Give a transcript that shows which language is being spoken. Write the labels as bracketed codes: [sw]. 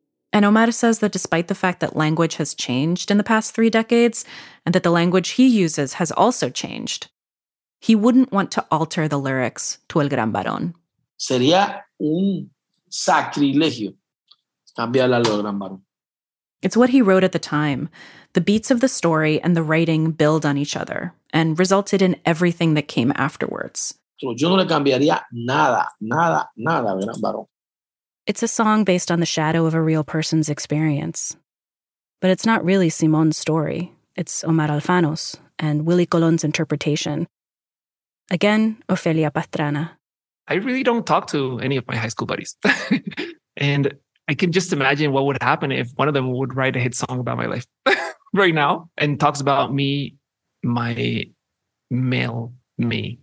[en] And Omar says that despite the fact that language has changed in the past 3 decades, and that the language he uses has also changed, he wouldn't want to alter the lyrics to El Gran Varón. [es] Sería un sacrilegio cambiar El Gran Varón. [en] It's what he wrote at the time. The beats of the story and the writing build on each other and resulted in everything that came afterwards. [es] Yo no le cambiaría nada, nada, nada, Gran Varón. [en] It's a song based on the shadow of a real person's experience. But it's not really Simón's story. It's Omar Alfano's and Willy Colón's interpretation. Again, Ofelia Pastrana. I really don't talk to any of my high school buddies. And I can just imagine what would happen if one of them would write a hit song about my life right now and talks about me, my male me.